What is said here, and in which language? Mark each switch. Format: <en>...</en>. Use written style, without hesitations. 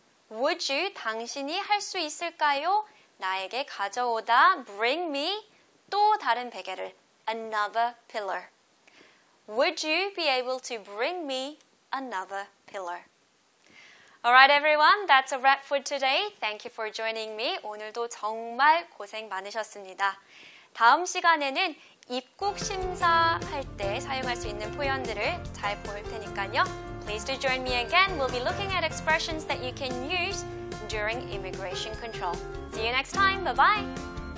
<en>Would you,</en> <ko>당신이 할 수 있을까요? 나에게 가져오다,</ko> <en>bring me,</en> <ko>또 다른 베개를,</ko> <en>another pillow. Would you be able to bring me another pillow? Alright everyone, that's a wrap for today. Thank you for joining me.</en> <ko>오늘도 정말 고생 많으셨습니다. 다음 시간에는 입국 심사할 때 사용할 수 있는 표현들을 잘 보일 테니까요.</ko> <en>Please do join me again. We'll be looking at expressions that you can use during immigration control. See you next time. Bye-bye.</en>